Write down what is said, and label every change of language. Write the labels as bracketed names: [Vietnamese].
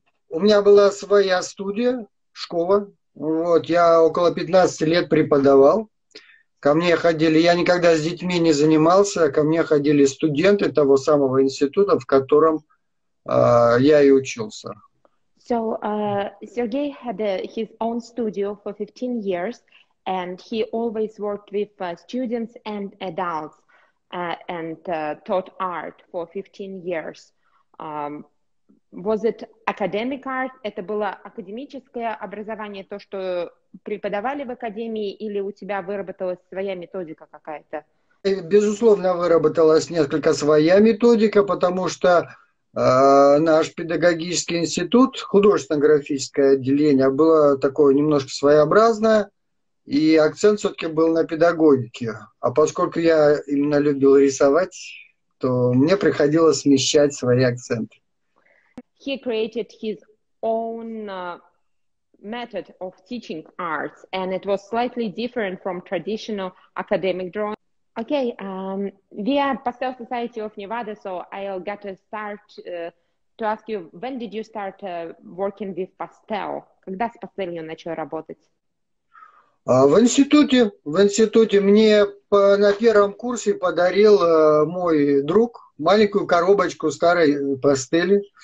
[Russian] У меня была своя студия, школа, вот, я около 15 лет преподавал, ко мне ходили, я никогда с детьми не занимался, ко мне ходили студенты того самого института, в котором я и учился. [English] So, Sergei had his own studio for 15 years, and he always worked with students and adults, and taught art for 15 years. Was it academic art? [Russian] Это было академическое образование, то, что преподавали в академии, или у тебя выработалась своя методика какая-то? Безусловно, выработалась несколько своя методика, потому что наш педагогический институт, художественно-графическое отделение, было такое немножко своеобразное, и акцент все-таки был на педагогике. А поскольку я именно любил рисовать, то мне приходилось смещать свои акценты. [English] He created his own method of teaching arts, and it was slightly different from traditional academic drawing. Okay, we are Pastel Society of Nevada, so I'll get to start to ask you, when did you start working with pastel? [Russian] Когда с пастелью начал работать? В институте мне на первом курсе подарил мой друг маленькую коробочку старой пастели.